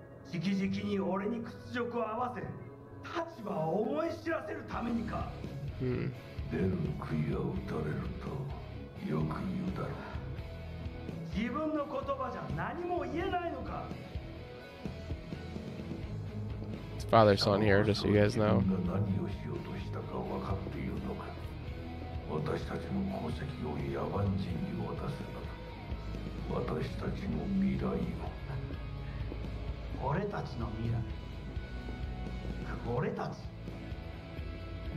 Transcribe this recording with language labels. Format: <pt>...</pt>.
<ja>じきじきに俺に屈辱を合わせ、立場を思い知らせるためにか。出る杭は打たれるとよく言うだろう。自分の言葉じゃ何も言えないのか。</ja> <en>It's father son here, just so you guys know.</en> <ja>自分が何をしようとしたか分かっているのか。私たちの功績を野蛮人に渡すのか。私たちの未来を。俺たちの未来。俺たち。</ja>